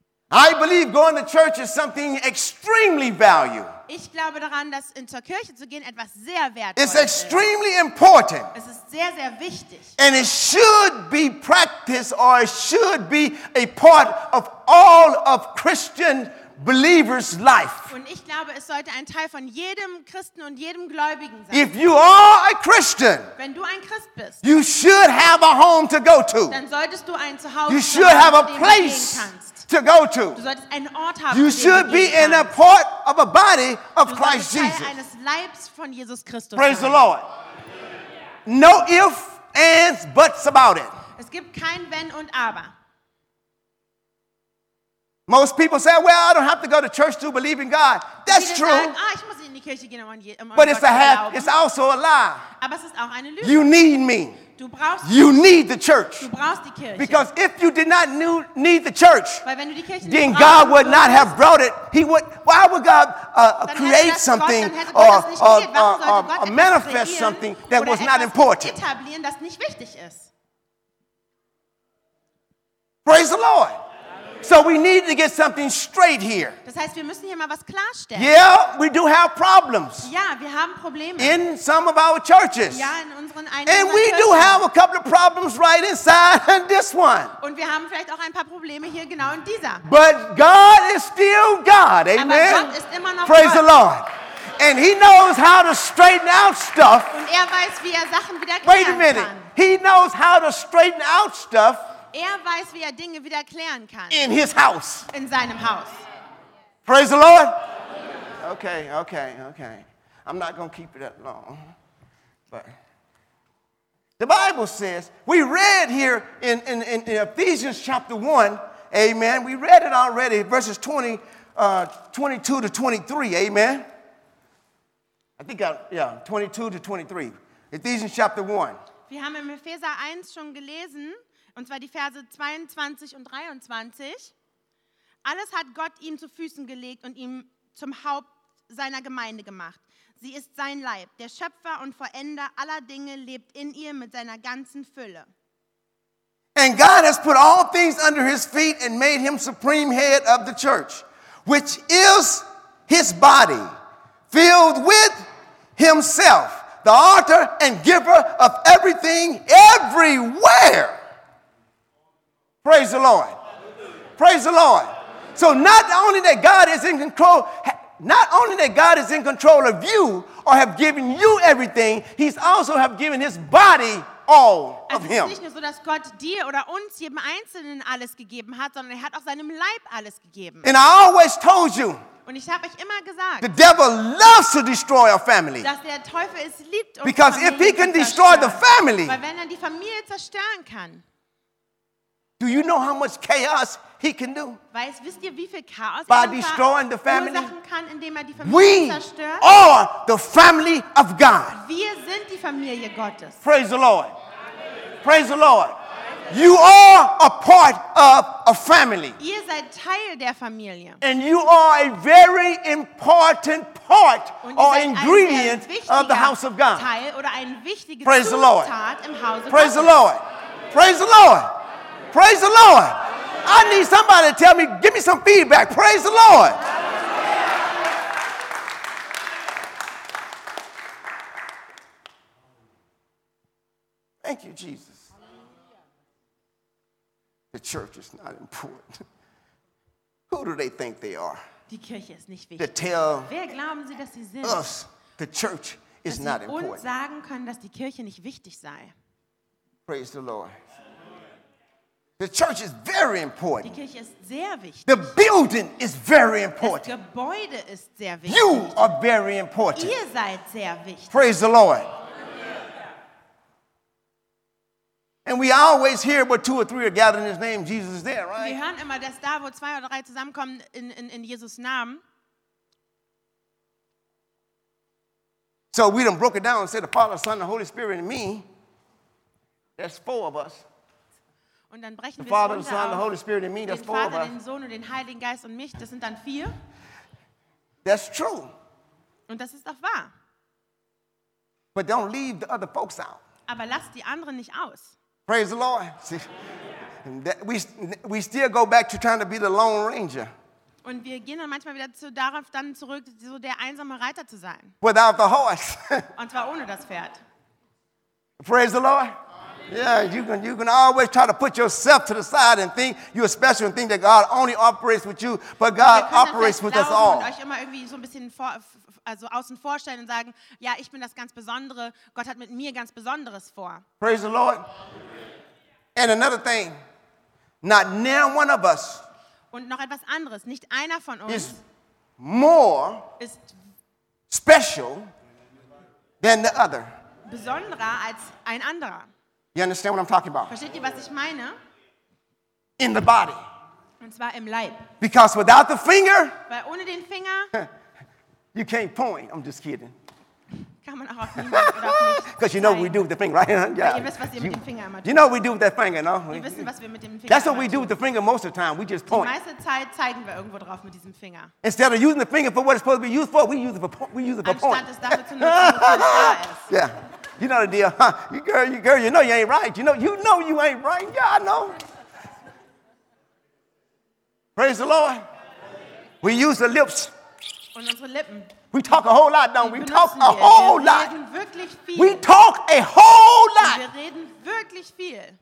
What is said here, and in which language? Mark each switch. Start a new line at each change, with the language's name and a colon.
English: I believe going to church is something extremely valuable.
German: Ich glaube daran, dass in zur Kirche zu gehen etwas sehr wertvolles ist.
English: It's extremely important.
German: Es ist sehr, sehr wichtig.
English: And it should be practiced or it should be a part of all of Christian believers' life.
German: Und ich glaube, es sollte ein Teil von jedem Christen und jedem Gläubigen sein.
English: If you are a Christian,
German: wenn du ein Christ bist,
English: you should have a home to go to.
German: Dann solltest du ein Zuhause,
English: you should have a place to go to.
German: Du solltest einen Ort haben,
English: you should be in a part of a body of Christ Jesus.
German: Du solltest Teil eines Leibs von Jesus Christus sein.
English: Praise the Lord. Amen. No ifs, ands, buts about it.
German: Es gibt kein Wenn und Aber.
English: Most people say, well, I don't have to go to church to believe in God. That's true. But it's also a lie.
German: Aber es ist auch eine Lüge.
English: You need me.
German: Du brauchst
English: you need the church.
German: Du brauchst die Kirche.
English: Because if you did not need the church,
German: weil wenn du die Kirche
English: then God would not have brought it. He would. Why would God create something or manifest something that was not important?
German: Etablieren, das nicht wichtig ist.
English: Praise the Lord. So we need to get something straight here.
German: Das heißt, wir müssen hier mal was klarstellen.
English: Yeah, we do have problems.
German: Ja, wir haben Probleme.
English: In some of our churches.
German: Ja, in unseren einigen Kirchen.
English: And we
German: Kirchen.
English: Do have a couple of problems right inside in this one.
German: Und wir haben vielleicht auch ein paar Probleme hier genau in dieser.
English: But God is still God, amen.
German: Aber Gott ist immer noch
English: Praise
German: Gott.
English: The Lord. And He knows how to straighten out stuff.
German: Und er weiß, wie er Sachen wieder klären
English: Wait a minute.
German: Kann.
English: He knows how to straighten out stuff.
German: Er weiß, wie er Dinge wieder klären kann.
English: In his house.
German: In seinem Haus.
English: Praise the Lord. Okay, okay, okay. I'm not going to keep it that long. But the Bible says, we read here in Ephesians chapter 1, amen. We read it already, verses 22 to 23, amen. I think, 22 to 23. Ephesians chapter 1.
German: Wir haben in Epheser 1 schon gelesen, und zwar die Verse 22 und 23. Alles hat Gott ihm zu Füßen gelegt und ihm zum Haupt seiner Gemeinde gemacht. Sie ist sein Leib. Der Schöpfer und Vollender aller Dinge lebt in ihr mit seiner ganzen Fülle.
English: And God has put all things under his feet and made him supreme head of the church, which is his body, filled with himself, the author and giver of everything everywhere. Praise the Lord. Praise the Lord. So not only that God is in control of you or have given you everything, he's also have given his body all of him.
German: Es ist nicht nur so, dass Gott dir oder uns jedem Einzelnen alles gegeben hat, sondern er hat auch seinem Leib alles gegeben.
English: And I always told you,
German: und ich habe euch immer gesagt,
English: the devil loves to destroy our family.
German: Dass der Teufel es liebt, unsere
English: because
German: Familie
English: if he can destroy the family,
German: weil wenn er die Familie zerstören kann,
English: do you know how much chaos he can do?
German: Wisst ihr, wie viel Chaos
English: by destroying the family?
German: Kann, indem er die Familie zerstört?
English: Are the family of God.
German: Wir sind die Familie Gottes.
English: Praise the Lord. Praise the Lord. You are a part of a family.
German: Ihr seid Teil der Familie.
English: And you are a very important part or ingredient of the house of God.
German: Teil oder ein wichtiges
English: Praise
German: Zutat
English: the Lord.
German: Im Hause
English: Praise
German: Gottes.
English: The Lord. Praise the Lord. Praise the Lord. I need somebody to tell me, give me some feedback. Praise the Lord. Thank you, Jesus. The church is not important. Who do they think they are?
German: Die Kirche ist nicht wichtig.
English: To tell
German: Wer glauben Sie, dass Sie sind?
English: Us, the church is
German: dass
English: not important.
German: Dass Sie uns sagen können, dass die Kirche nicht wichtig sei.
English: Praise the Lord. The church is very important.
German: Die Kirche ist sehr wichtig.
English: The building is very important.
German: Das Gebäude ist sehr wichtig.
English: You are very important.
German: Ihr seid sehr wichtig.
English: Praise the Lord. And we always hear where two or three are gathered in His name, Jesus is there, right?
German: Wir hören immer, dass da, wo zwei oder drei zusammenkommen in Jesus Namen.
English: So we done broke it down and said the Father, Son, the Holy Spirit, and me. That's four of us.
German: Und dann brechen
English: the Father, the Son, the Holy Spirit, and me. That's
German: Vater,
English: four of us.
German: Den Vater, den Sohn und den Heiligen Geist und mich. Das sind dann vier.
English: That's true.
German: Und das ist auch wahr.
English: But don't leave the other folks out.
German: Aber lass die anderen nicht aus.
English: Praise the Lord. See, that we still go back to trying to be the Lone Ranger.
German: Und wir gehen dann manchmal wieder darauf dann zurück, so der einsame Reiter zu sein.
English: Without the horse.
German: Und zwar ohne das Pferd.
English: Praise the Lord. Yeah, you can always try to put yourself to the side and think you're special and think that God only operates with you, but God operates with us all.
German: Und euch immer irgendwie so ein bisschen vor, also außen vorstellen und sagen, ja, ich bin das ganz Besondere. Gott hat mit mir ganz Besonderes vor.
English: Praise the Lord. And another thing, not near one of us.
German: Und noch etwas anderes, nicht einer von uns
English: is more
German: ist
English: special than the other.
German: Besonderer als ein anderer.
English: You understand what I'm talking about?
German: Versteht ihr, was ich meine?
English: In the body.
German: Und zwar im Leib.
English: Because without the finger,
German: weil ohne den Finger,
English: you can't point. I'm just kidding.
German: Kann man auch auf niemanden oder
English: because you know what we do with the finger, right? Yeah.
German: Ihr wisst, was ihr mit dem Finger immer tut.
English: You know what we do with that finger, no?
German: Ihr wisst, was wir mit dem Finger
English: that's what we do with the finger most of the time. We just point.
German: Die meiste Zeit zeigen wir irgendwo drauf mit diesem Finger.
English: Instead of using the finger for what it's supposed to be used for, we use it for point.
German: Anstatt es dafür zu nutzen, wofür es da ist.
English: Yeah. You know the deal, huh? You girl, you know you ain't right. You know you ain't right. Yeah, I know. Praise the Lord. We use the lips.
German: Und unsere Lippen.
English: We talk a whole lot, don't we?
German: Wir reden wirklich viel.